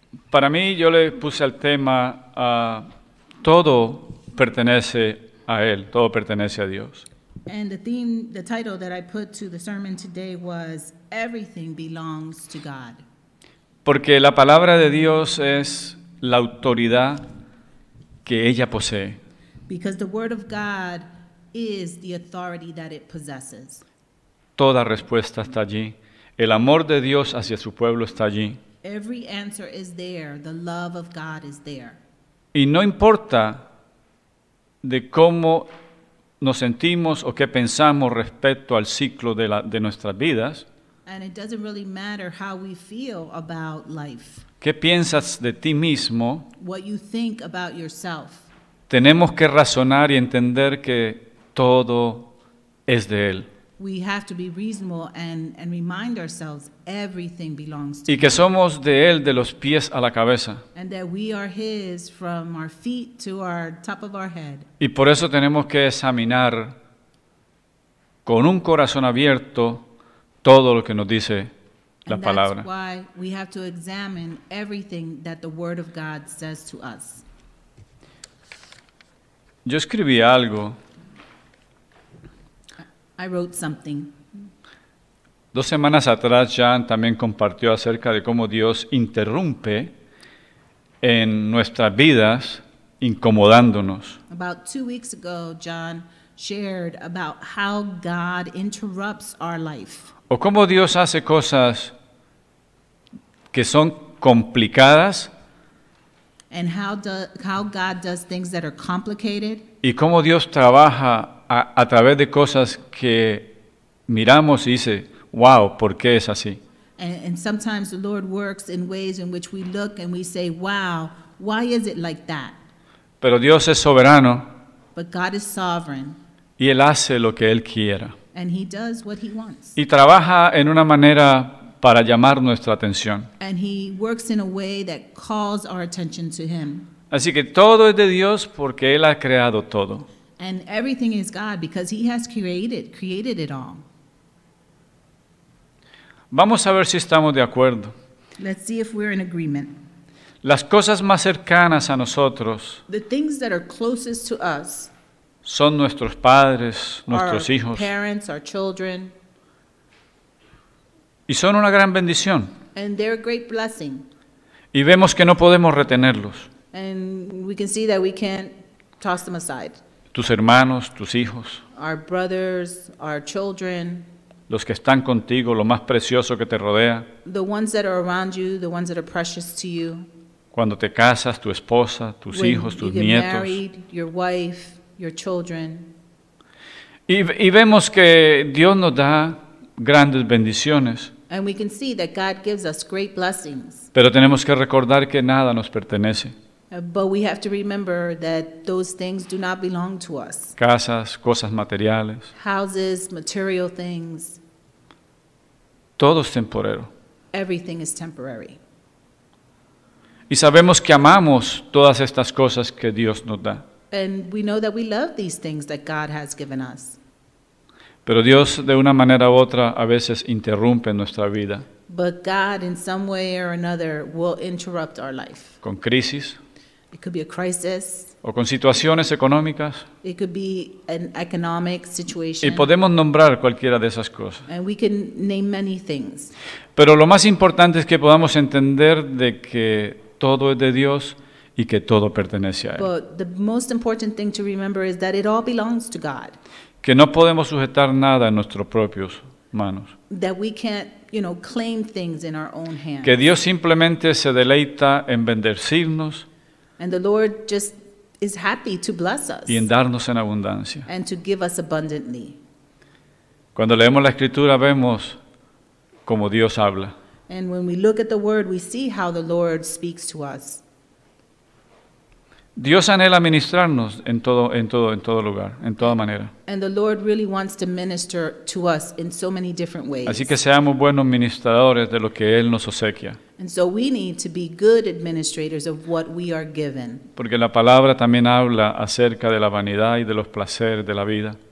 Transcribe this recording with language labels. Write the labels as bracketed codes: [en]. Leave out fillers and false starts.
[es] Para mí, yo le puse al tema, todo pertenece a Él, todo pertenece a Dios. [en] And the title that I put to the sermon today was, Everything Belongs to God. [es] Porque la palabra de Dios es la autoridad que ella posee. [en] Because the word of God is the authority that it possesses. [es] Toda respuesta está allí. El amor de Dios hacia su pueblo está allí. [en] Every answer is there. The love of God is there. [es] Y no importa de cómo nos sentimos o qué pensamos respecto al ciclo de nuestras vidas. [en] And it doesn't really matter how we feel about life. [es] ¿Qué piensas de ti mismo? [en] What you think about yourself. [es] Tenemos que razonar y entender que todo es de Él. [en] We have to be reasonable and remind ourselves everything belongs to Him. [es] Y que somos de Él de los pies a la cabeza. [en] And that we are His from our feet to our top of our head. [es] Y por eso tenemos que examinar con un corazón abierto todo lo que nos dice la palabra. [en] And that's why we have to examine everything that the Word of God says to us. [es] Yo escribí algo. [en] I wrote something. [es] 2 semanas atrás, Jan también compartió acerca de cómo Dios interrumpe en nuestras vidas, incomodándonos. [en] About 2 weeks ago, John shared about how God interrupts our life. [es] O cómo Dios hace cosas que son complicadas. [en] And how God does things that are complicated. [es] Y cómo Dios trabaja a través de cosas que miramos y dice, wow, ¿por qué es así? [en] And sometimes the Lord works in ways in which we look and we say, wow, why is it like that? [es] Pero Dios es soberano. [en] But God is sovereign. [es] Y Él hace lo que Él quiera. [en] And He does what He wants. [es] Y trabaja en una manera para llamar nuestra atención. [en] And He works in a way that calls our attention to Him. [es] Así que todo es de Dios porque Él ha creado todo. [en] And everything is God because He has created it all. [es] Vamos a ver si estamos de acuerdo. [en] Let's see if we're in agreement. [es] Las cosas más cercanas a nosotros, [en] the things that are closest to us, [es] son nuestros padres, nuestros hijos, [en] our parents, our children. [es] Y son una gran bendición. [en] And they're a great blessing. [es] Y vemos que no podemos retenerlos. [en] And we can see that we can't toss them aside. [es] Tus hermanos, tus hijos. [en] Our brothers, our children. [es] Los que están contigo, lo más precioso que te rodea. [en] The ones that are around you, the ones that are precious to you. [es] Cuando te casas, tu esposa, tus [en] when [es] hijos, tus nietos. [en] You get married, your wife, your children. [es] Y vemos que Dios nos da grandes bendiciones. [en] And we can see that God gives us great blessings. [es] Pero tenemos que recordar que nada nos pertenece. [en] But we have to remember that those things do not belong to us. [es] Casas, cosas materiales. [en] Houses, material things. [es] Todo es temporero. [en] Everything is temporary. [es] Y sabemos que amamos todas estas cosas que Dios nos da. [en] And we know that we love these things that God has given us. [es] Pero Dios, de una manera u otra, a veces interrumpe nuestra vida. [en] But God, in some way or another, will interrupt our life. [es] Con crisis. [en] It could be a crisis. [es] O con situaciones económicas. [en] It could be an economic situation. [es] Y podemos nombrar cualquiera de esas cosas. [en] And we can name many things. [es] Pero lo más importante es que podamos entender de que todo es de Dios y que todo pertenece a Él. [en] But the most important thing to remember is that it all belongs to God. [es] Que no podemos sujetar nada en nuestros propios manos. [en] That we can't, you know, claim things in our own hands. [es] Que Dios simplemente se deleita en bendecirnos. [en] And the Lord just is happy to bless us. [es] Y en darnos en abundancia. [en] And to give us abundantly. [es] Cuando leemos la Escritura vemos cómo Dios habla. [en] And when we look at the Word, we see how the Lord speaks to us. [es] Dios anhela ministrarnos en todo lugar, en toda manera. [en] And the Lord really wants to minister to us in so many different ways. [es] Así que seamos buenos ministradores de lo que Él nos obsequia. [en] And so we need to be good administrators of what we are given. [es] Porque la palabra también habla acerca de la vanidad y de los placeres de la vida.